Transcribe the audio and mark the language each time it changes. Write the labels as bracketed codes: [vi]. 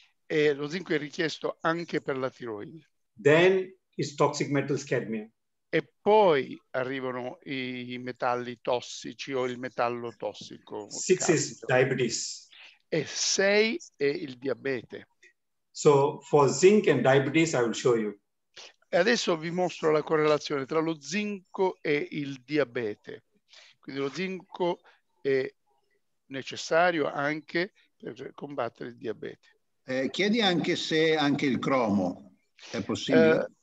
[it] E lo zinco è richiesto anche per la tiroide. [en] Then is toxic metals cadmium. [it] E poi arrivano i metalli tossici o il metallo tossico. [en] Six cadmio. Is diabetes. [it] E sei è il diabete. [en] So for zinc and diabetes I will show you. [it] E adesso vi mostro la correlazione tra lo zinco e il diabete. Quindi lo zinco è necessario anche per combattere il diabete. Chiedi anche se anche il cromo è possibile.